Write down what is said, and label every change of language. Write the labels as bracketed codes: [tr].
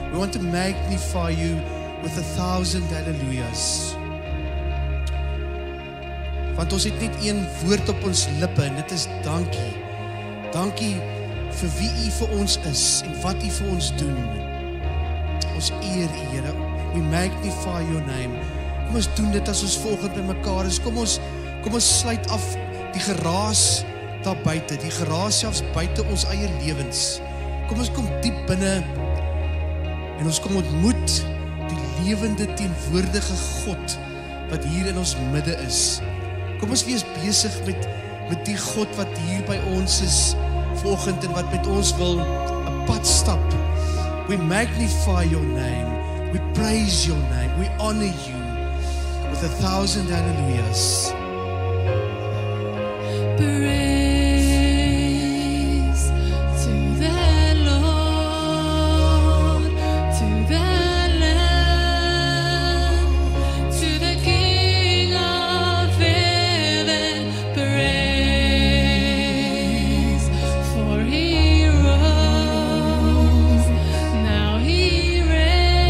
[en] We want to magnify you with a thousand hallelujahs. [af] Want ons het net een woord op ons lippe en dit is dankie. Dankie vir wie u vir ons is en wat u vir ons doen. Ons eer u, Here. We magnify your name. Kom ons doen dit as ons volgend by mekaar is. Kom ons sluit af die geraas daar buite, die geraas selfs buite ons eie lewens. Kom ons kom diep binne en ons kom ontmoet die lewende teenwoordige God wat hier in ons midde is. Kom ons wees besig met die God wat hier by ons is volgend en wat met ons wil 'n pad stap. [en] We magnify your name. We praise your name. We honor you with a thousand hallelujahs. Praise to the Lord, to the Lamb, to the King of heaven. Praise for He rose. Now He reigns.